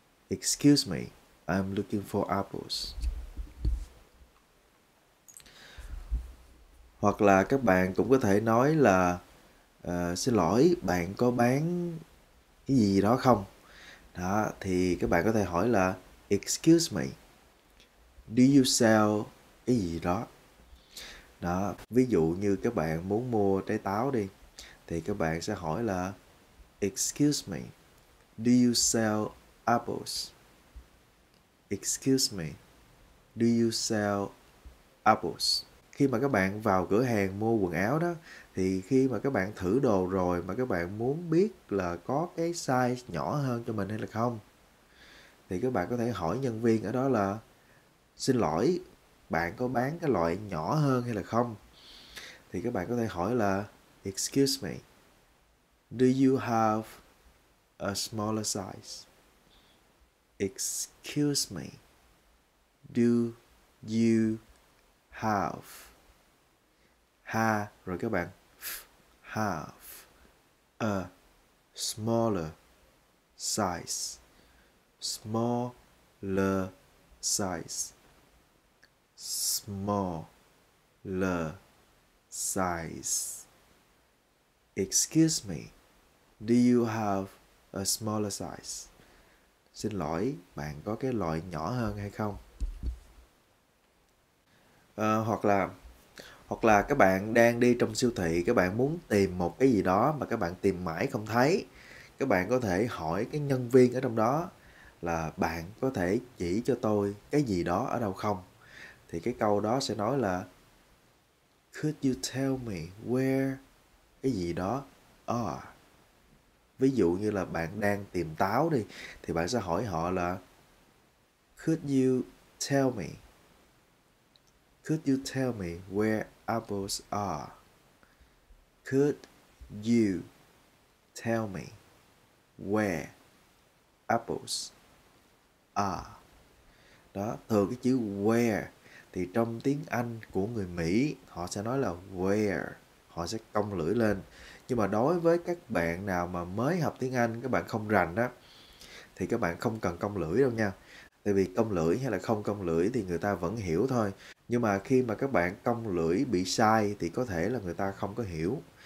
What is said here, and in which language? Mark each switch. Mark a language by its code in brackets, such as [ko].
[en] Excuse me, I'm looking for apples. [vi] Hoặc là các bạn cũng có thể nói là xin lỗi, bạn có bán cái gì đó không? Đó, thì các bạn có thể hỏi là [en] Excuse me, do you sell [vi] cái gì đó? Đó, ví dụ như các bạn muốn mua trái táo đi, thì các bạn sẽ hỏi là [en] Excuse me, do you sell apples? Excuse me, do you sell apples? [vi] Khi mà các bạn vào cửa hàng mua quần áo đó, thì khi mà các bạn thử đồ rồi mà các bạn muốn biết là có cái size nhỏ hơn cho mình hay là không, thì các bạn có thể hỏi nhân viên ở đó là xin lỗi, bạn có bán cái loại nhỏ hơn hay là không? Thì các bạn có thể hỏi là [en] Excuse me, do you have a smaller size? Excuse me, do you have, [vi] rồi các bạn, [en] have a smaller size, smaller size, smaller size. Excuse me, do you have a smaller size? [vi] Xin lỗi, bạn có cái loại nhỏ hơn hay không? Hoặc là các bạn đang đi trong siêu thị, các bạn muốn tìm một cái gì đó mà các bạn tìm mãi không thấy. Các bạn có thể hỏi cái nhân viên ở trong đó là bạn có thể chỉ cho tôi cái gì đó ở đâu không? Thì cái câu đó sẽ nói là [en] Could you tell me where [vi] cái gì đó are? Ví dụ như là bạn đang tìm táo đi, thì bạn sẽ hỏi họ là [en] Could you tell me? Could you tell me where apples are? Could you tell me where apples are? [vi] Đó, thường cái chữ where thì trong tiếng Anh của người Mỹ họ sẽ nói là where. Họ sẽ cong lưỡi lên. Nhưng mà đối với các bạn nào mà mới học tiếng Anh, các bạn không rành đó, thì các bạn không cần cong lưỡi đâu nha. Tại vì cong lưỡi hay là không cong lưỡi thì người ta vẫn hiểu thôi. Nhưng mà khi mà các bạn cong lưỡi bị sai thì có thể là người ta không có hiểu.